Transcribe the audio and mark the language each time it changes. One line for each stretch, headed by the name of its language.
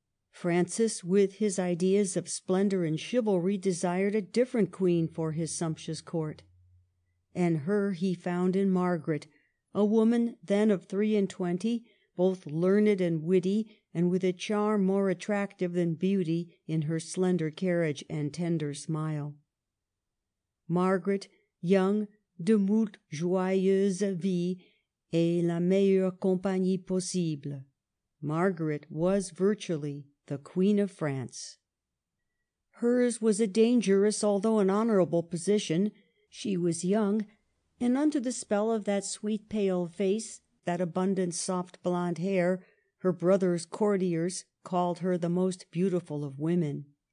English: Francis, with his ideas of splendor and chivalry, desired a different queen for his sumptuous court. And her he found in Margaret, a woman then of 23, both learned and witty, and with a charm more attractive than beauty in her slender carriage and tender smile.
French: Margaret,
English: young,
French: de moult joyeuse vie, et la meilleure compagnie possible.
English: Margaret was virtually the Queen of France. Hers was a dangerous, although an honorable position. She was young, and under the spell of that sweet pale face, that abundant soft blonde hair, her brother's courtiers called her the most beautiful of women.